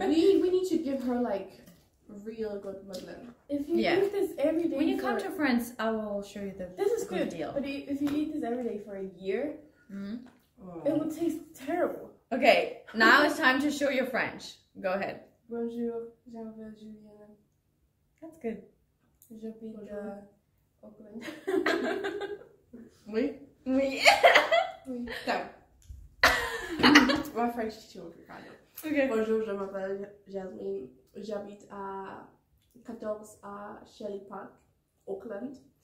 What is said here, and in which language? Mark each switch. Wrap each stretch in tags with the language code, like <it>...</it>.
<en>We need to give her, like, real good Madeleine. If you eat this every day when you come to France, I will show you the this is good deal. But if you eat this every day for a year, it would taste terrible. Okay, now it's time to show your French. Go ahead.</en> <fr>Bonjour, je m'appelle Julien.</fr> <en>That's good.</en> <fr>Je vis de Auckland. Oui. Oui. Oui.</fr> <en>So, my French teacher will be proud of. Okay.</en> <fr>Bonjour, je m'appelle Jasmine. J'habite à 14 à Shelley Park, Auckland.</fr>